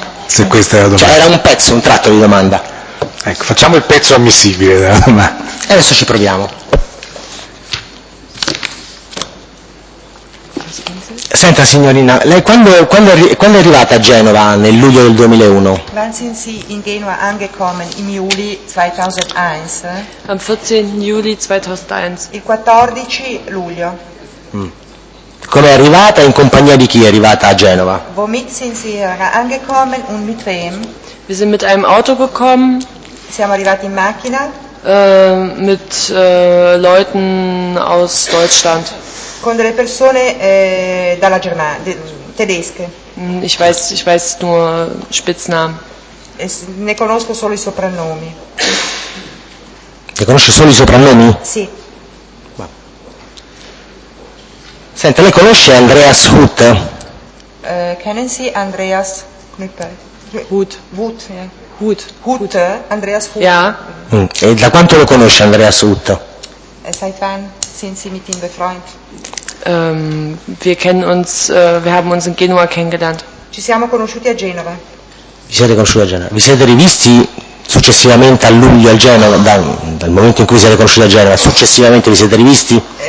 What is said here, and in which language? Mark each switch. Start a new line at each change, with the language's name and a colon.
Italian: Se questa è la domanda. Cioè era un pezzo, un tratto di domanda. Ecco, facciamo il pezzo ammissibile della domanda. E adesso ci proviamo. Senta signorina, lei quando è arrivata a Genova nel luglio del 2001?
German: Wann sind Sie in Genua angekommen im Juli 2001? Am 14 Juli 2001.
Italian: Il 14 luglio. Come è arrivata in compagnia di chi è arrivata a Genova?
German: Womit sind Sie angekommen und mit wem? Wir sind mit einem Auto gekommen.
Italian: Siamo arrivati in macchina.
German: Mit Leuten aus Deutschland.
Italian: Con delle persone dalla Germania, tedesche.
German: Ich weiß nur Spitznamen.
Italian: Ne conosco solo i soprannomi. Ne conosce solo i soprannomi? Sì. Senta, lei conosce Andreas Huth?
German: Kennen Sie Andreas Knüppel? Huth. Andreas Huth. Ja.
Italian: E da quanto lo conosce Andreas Huth?
German: Seit wann sind Sie mit ihm befreundet? Wir haben uns in Genua kennengelernt.
Italian: Ci siamo conosciuti a Genova. Vi siete conosciuti a Genova. Vi siete rivisti successivamente a luglio a Genova, dal momento in cui siete conosciuti a Genova, successivamente vi siete rivisti?